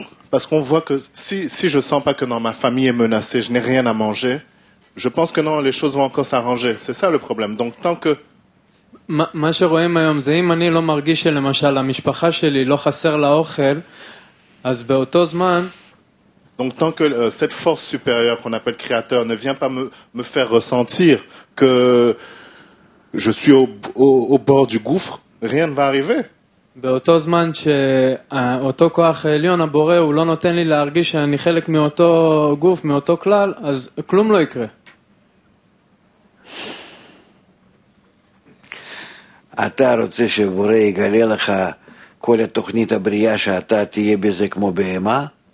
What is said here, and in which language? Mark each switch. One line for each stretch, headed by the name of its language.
French: Parce qu'on voit que si je sens pas que non, ma famille est menacée, je n'ai rien à manger, je pense que non, les choses vont encore s'arranger. C'est ça le problème. Donc tant que...
Hebrew: מה שרואים היום זה אם אני לא מרגיש שלמשל המשפחה שלי לא חסר לה אוכל, אז באותו זמן...
French: Donc tant que cette force supérieure qu'on appelle créateur ne vient pas me faire ressentir que je suis au bord du gouffre, rien ne va arriver.
Hebrew: באותו זמן שאותו כוח העליון הבורא הוא לא נותן לי להרגיש שאני חלק מאותו גוף, מאותו כלל, אז כלום לא יקרה. אתה רוצה שבורא יגלה לך כל התוכנית הבריאה שאתה תהיה בזה כמו בהמה?